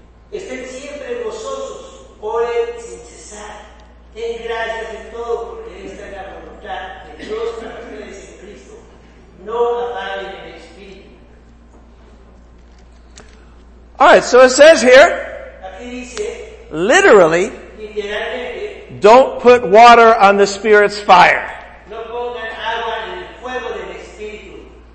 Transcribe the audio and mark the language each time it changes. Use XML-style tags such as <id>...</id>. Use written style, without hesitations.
<es>Estén siempre gozosos, oren sin cesar, den gracias de todo porque esta es la voluntad de Dios para ustedes en Cristo. No apaguen el Espíritu.</es> <en>All right, so it says here,</en> <es>aquí dice,</es> <en>literally,</en> <es>literalmente,</es> <en>don't put water on the Spirit's fire.</en> <es>No pongan agua en el fuego del Espíritu.</es>